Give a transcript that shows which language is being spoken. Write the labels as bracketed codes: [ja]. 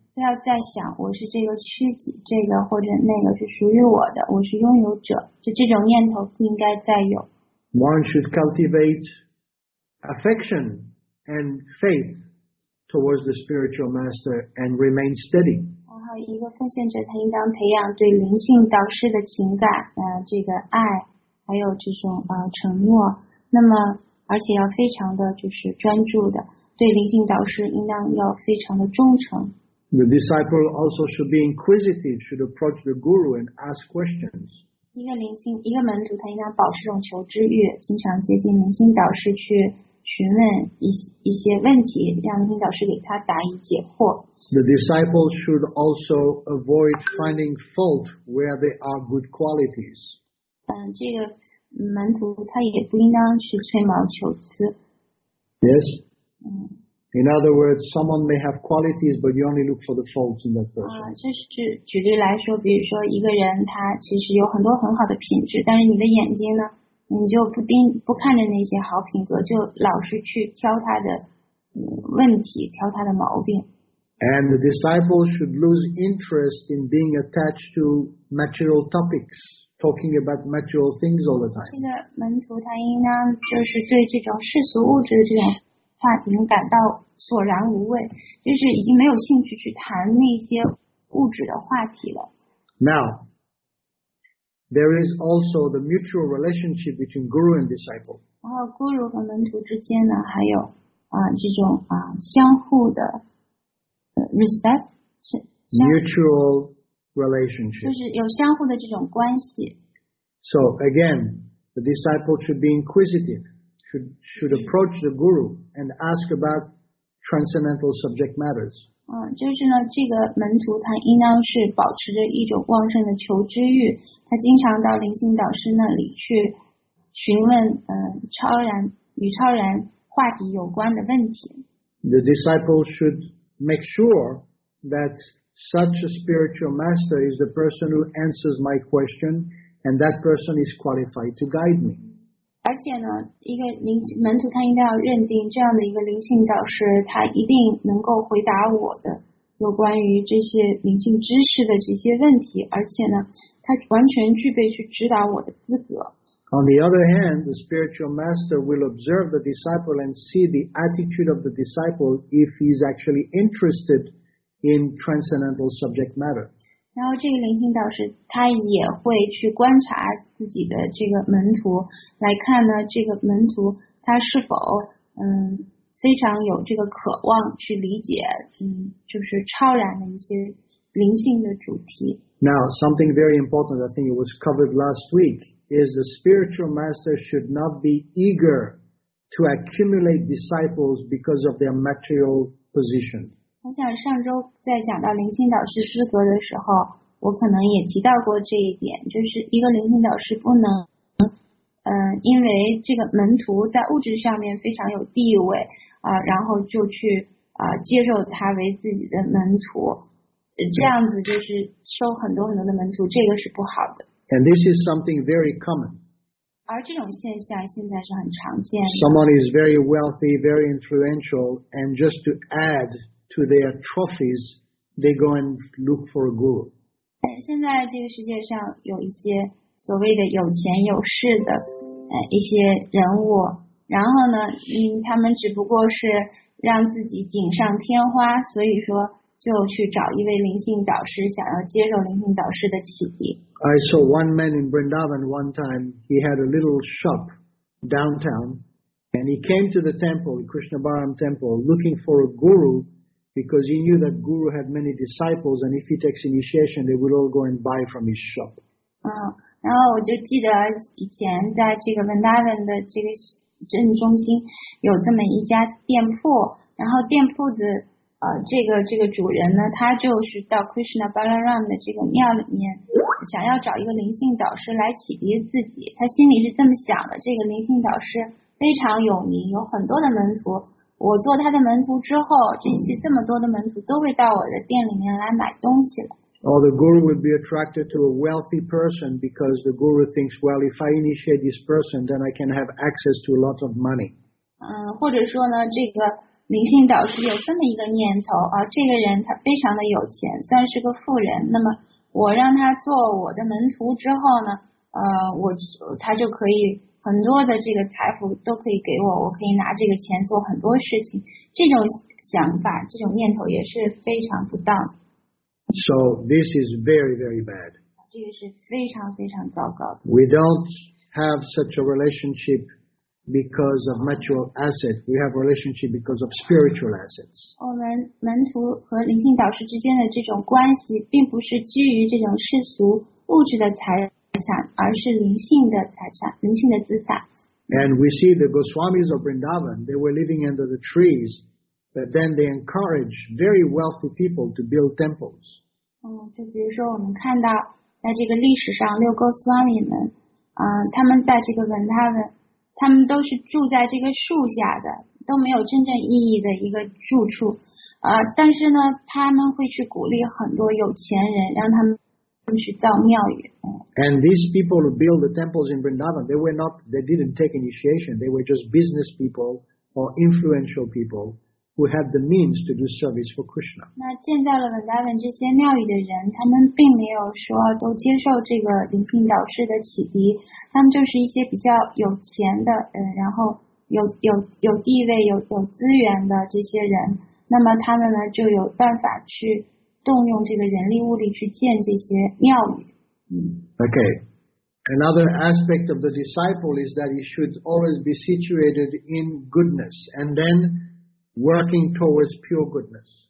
[zh] 对，要在想我是这个躯体，这个或者那个是属于我的，我是拥有者，就这种念头不应该再有。 [en] One should cultivate affection and faith towards the spiritual master and remain steady. [zh] 然后一个奉献者，他应当培养对灵性导师的情感，这个爱，还有这种承诺。那么，而且要非常的就是专注的，对灵性导师应当要非常的忠诚。 [en] The disciple also should be inquisitive, should approach the guru and ask questions. [zh] 一个灵性，一个门徒，他应当保持这种求知欲，经常接近灵性导师去询问一些问题，让灵性导师给他答疑解惑。 [en] The disciple should also avoid finding fault where there are good qualities. [zh] 这个门徒他也不应当去吹毛求疵。 [en] Yes. In other words, someone may have qualities, but you only look for the faults in that person. [zh] 就是举例来说，比如说一个人他其实有很多很好的品质，但是你的眼睛呢，你就不看着那些好品格，就老是去挑他的问题，挑他的毛病。 [en] And the disciple should lose interest in being attached to material topics, talking about material things all the time. [zh] 这个门徒他应当就是对这种世俗物质的这种话题感到索然无味，就是已经没有兴趣去谈那些物质的话题了。 [en] Now, there is also the mutual relationship between guru and disciple. [zh] 然后 guru 和门徒之间呢，还有这种相互的respect, [en] mutual relationship, [zh] 就是有相互的这种关系。 [en] So again, the disciple should be inquisitive. Should approach the guru and ask about transcendental subject matters. [zh] 就是呢，这个门徒他应当是保持着一种旺盛的求知欲，他经常到灵性导师那里去询问，超然与超然话题有关的问题。 [en] The disciple should make sure that such a spiritual master is the person who answers my question, and that person is qualified to guide me. [zh] 而且呢，一个门徒他应该要认定这样的一个灵性导师，他一定能够回答我的有关于这些灵性知识的这些问题，而且呢，他完全具备去指导我的资格。 [en] On the other hand, the spiritual master will observe the disciple and see the attitude of the disciple if he's actually interested in transcendental subject matter. [zh] 然后这个灵性导师他也会去观察自己的这个门徒，来看呢这个门徒他是否非常有这个渴望去理解就是超然的一些灵性的主题。 [en] Now something very important, I think it was covered last week, is the spiritual master should not be eager to accumulate disciples because of their material position. [zh] 我想上周在讲到灵性导师资格的时候，我可能也提到过这一点，就是一个灵性导师不能因为这个门徒在物质上面非常有地位然后就去接受他为自己的门徒，这样子就是收很多很多的门徒，这个是不好的。 [en] And this is something very common. [zh] 而这种现象现在是很常见的。 [en] Someone is very wealthy, very influential, and just to addto their trophies, they go and look for a guru. [zh] 现在这个世界上有一些所谓的有钱有势的一些人物，然后呢他们只不过是让自己锦上添花，所以说就去找一位灵性导师，想要接受灵性导师的启迪。 [en] I saw one man in Vrindavan one time, he had a little shop downtown, and he came to the temple, Krishna Bharam temple, looking for a guru,because he knew that guru had many disciples, and if he takes initiation, they would all go and buy from his shop. [zh] 然后我就记得以前在这个 Vrindavan 的这个镇中心有这么一家店铺，然后店铺的这个主人呢，他就是到 Krishna Balaram 的这个庙里面，想要找一个灵性导师来启迪自己。他心里是这么想的：这个灵性导师非常有名，有很多的门徒。我做他的门徒之后，这些这么多的门徒都会到我的店里面来买东西了。 [en] Or the guru would be attracted to a wealthy person because the guru thinks, well, if I initiate this person, then I can have access to a lot of money. [zh] 或者说呢，这个灵性导师有这么一个念头啊，这个人他非常的有钱，算是个富人，那么我让他做我的门徒之后呢，他就可以很多的这个财富都可以给我，我可以拿这个钱做很多事情，这种想法这种念头也是非常不当。 [en] So this is very very bad. [zh] 这个是非常非常糟糕的。 [en] We don't have such a relationshipBecause of material asset, we have relationship because of spiritual assets. [zh] 我们门徒和灵性导师之间的这种关系，并不是基于这种世俗物质的财产，而是灵性的财产，灵性的资产。 [en] And we see the Goswamis of Vrindavan, they were living under the trees, but then they encourage very wealthy people to build temples. [zh] 就比如说我们看到在这个历史上六 Goswami 们，他们在这个 Vrindavan。他们都是住在这个树下的，都没有真正意义的一个住处，但是呢，他们会去鼓励很多有钱人，让他们去造庙宇。 [en] And these people who build the temples in Vrindavan, they didn't take initiation. They were just business people or influential people who had the means to do service for Krishna. [zh] 那建造了 Vrindavan 这些庙宇的人，他们并没有说都接受这个灵性导师的启迪，他们就是一些比较有钱的，然后有地位、有资源的这些人。那么他们呢，就有办法去动用这个人力物力去建这些庙宇。 [en] Okay. Another aspect of the disciple is that he should always be situated in goodness, and then working towards pure goodness.